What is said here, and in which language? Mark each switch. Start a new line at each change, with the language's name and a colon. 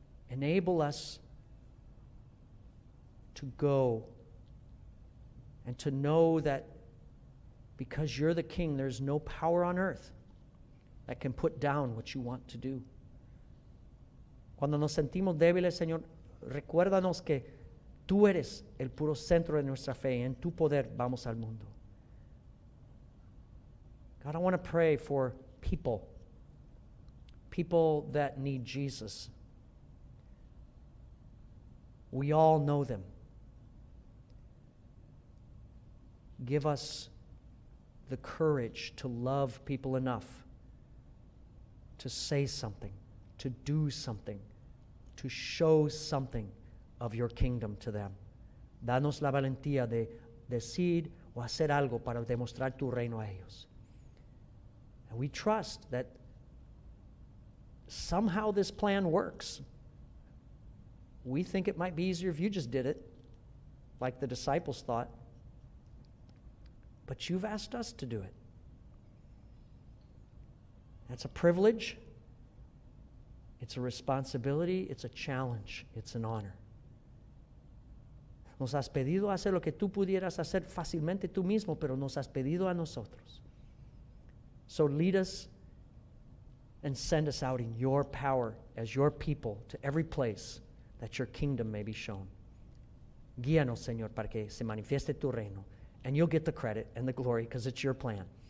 English: Enable us to go and to know that because you're the King, there's no power on earth that can put down what you want to do.
Spanish: Cuando nos sentimos débiles, Señor, recuérdanos que tú eres el puro centro de nuestra fe y en tu poder vamos al mundo.
English: God, I want to pray for people. People that need Jesus. We all know them. Give us the courage to love people enough to say something, to do something, to show something of your kingdom to them.
Spanish: Danos la valentía de decir o hacer algo para demostrar tu reino a ellos.
English: And we trust that somehow this plan works. We think it might be easier if you just did it, like the disciples thought. But you've asked us to do it. That's a privilege. It's a responsibility. It's a challenge. It's an honor.
Spanish: Nos has pedido hacer lo que tú pudieras hacer fácilmente tú mismo, pero nos has pedido a nosotros.
English: So lead us and send us out in your power as your people to every place that your kingdom may be shown.
Spanish: Guíanos, Señor, para que se manifieste tu reino.
English: And you'll get the credit and the glory because it's your plan.